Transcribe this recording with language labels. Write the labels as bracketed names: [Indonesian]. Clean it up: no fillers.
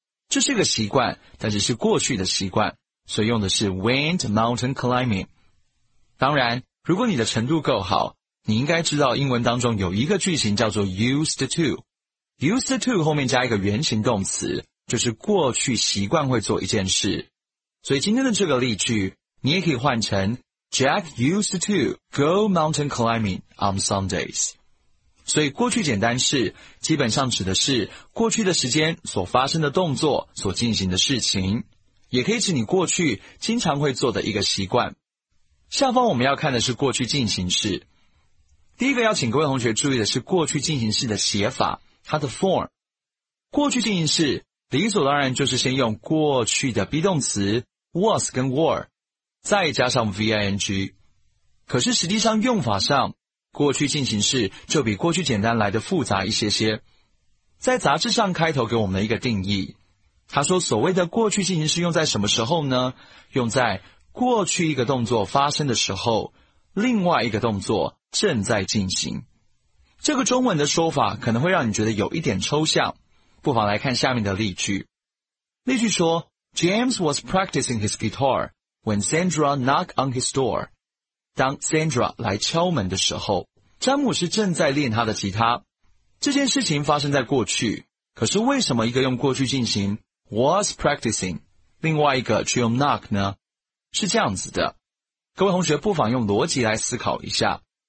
[Chinese] 这是个习惯，但只是过去的习惯，所以用的是 went mountain climbing。当然，如果你的程度够好，你应该知道英文当中有一个句型叫做 used to。 used to 后面加一个原形动词，就是过去习惯会做一件事。所以今天的这个例句，你也可以换成 [English] Jack used to go mountain climbing on Sundays. [Chinese] 所以过去简单式基本上指的是过去的时间所发生的动作所进行的事情，也可以指你过去经常会做的一个习惯。下方我们要看的是过去进行式。第一个要请各位同学注意的是过去进行式的写法，它的 form。过去进行式理所当然就是先用过去的 be 动词 was 跟 were，再加上 VING， 可是实际上用法上，过去进行式就比过去简单来得复杂一些些。在杂志上开头给我们的一个定义，他说所谓的过去进行式用在什么时候呢？用在过去一个动作发生的时候，另外一个动作正在进行。这个中文的说法可能会让你觉得有一点抽象，不妨来看下面的例句。 [English] 例句说 ，James was practicing his guitar。 When Sandra knocked on his door， [Chinese] 当 Sandra 来敲门的时候，詹姆斯正在练他的吉他。这件事情发生在过去，可是为什么一个用过去进行 was practicing， 另外一个却用 knock 呢？是这样子的，各位同学不妨用逻辑来思考一下。